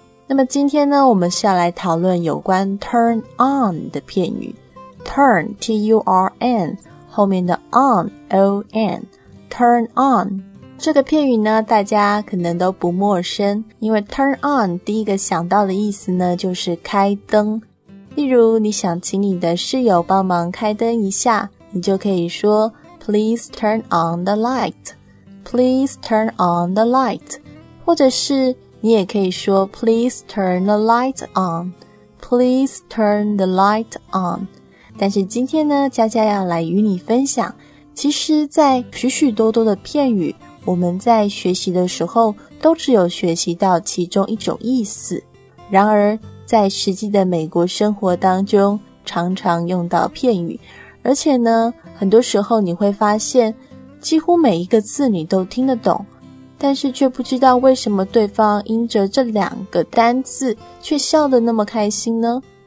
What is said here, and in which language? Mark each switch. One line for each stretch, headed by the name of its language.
Chinese: 那么今天呢，我们是要来讨论有关 turn on 的片语。 turn, T-U-R-N, 后面的 on, O-N, turn on 这个片语呢，大家可能都不陌生，因为 turn on 第一个想到的意思呢，就是开灯。例如你想请你的室友帮忙开灯一下，你就可以说
English: please turn on the light, Please turn on the light, 或者是你也可以说 Please turn the light on,
Chinese: Please turn the light on。但是今天呢，佳佳要来与你分享，其实在许许多多的片语，我们在学习的时候都只有学习到其中一种意思，然而在实际的美国生活当中常常用到片语，而且呢，很多时候你会发现几乎每一个字你都听得懂，但是却不知道为什么对方因着这两个单字却笑得那么开心呢？